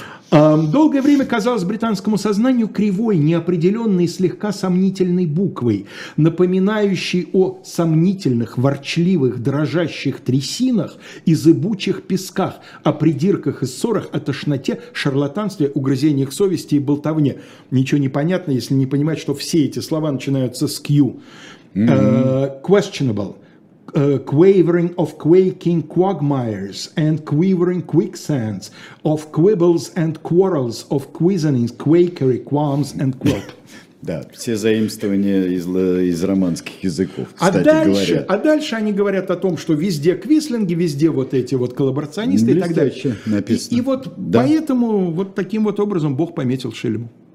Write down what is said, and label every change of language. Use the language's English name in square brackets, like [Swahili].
[Russian] Долгое время казалось британскому сознанию кривой, неопределенной, слегка сомнительной буквой, напоминающей о сомнительных, ворчливых, дрожащих трясинах и зыбучих песках, о придирках и ссорах, о тошноте, шарлатанстве, угрызениях совести и болтовне. Ничего не понятно, если не понимать, что все эти слова начинаются с Q. [English] Questionable. Quavering of quaking quagmires and quivering quicksands of quibbles and quarrels of quizzenings, quakery, qualms and quip. [Russian] Да, все заимствования из романских языков, кстати, А дальше они говорят о том, что везде квислинги, везде вот эти вот коллаборационисты и так далее. Написано. И вот да. Поэтому вот таким вот образом Бог пометил Шельму.